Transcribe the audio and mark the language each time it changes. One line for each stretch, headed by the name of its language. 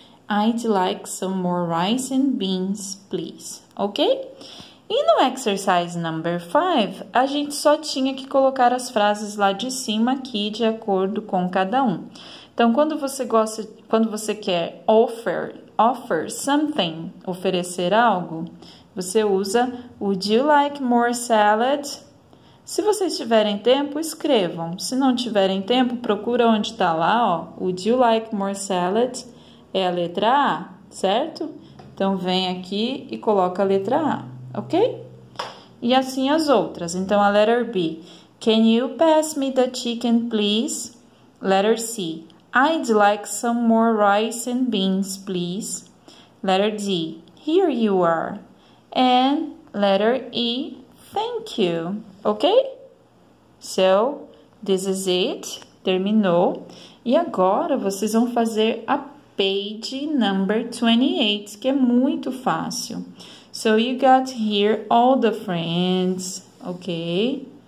English: I'd like some more rice and beans, please. Ok?
Portuguese: E no exercise number 5, a gente só tinha que colocar as frases lá de cima aqui, de acordo com cada um. Então, quando você quer
English: offer something,
Portuguese: oferecer algo, você usa
English: Would you like more salad?
Portuguese: Se vocês tiverem tempo, escrevam. Se não tiverem tempo, procura onde está lá, ó.
English: Would you like more salad?
Portuguese: É a letra A, certo? Então, vem aqui e coloca a letra A. Ok? E assim as outras. Então, a
English: letter B. Can you pass me the chicken, please? Letter C. I'd like some more rice and beans, please. Letter D. Here you are. And letter E. Thank you. Ok? So, this is it.
Portuguese: Terminou. E agora vocês vão fazer a page number 28, que é muito fácil.
English: So you got here all the friends, okay?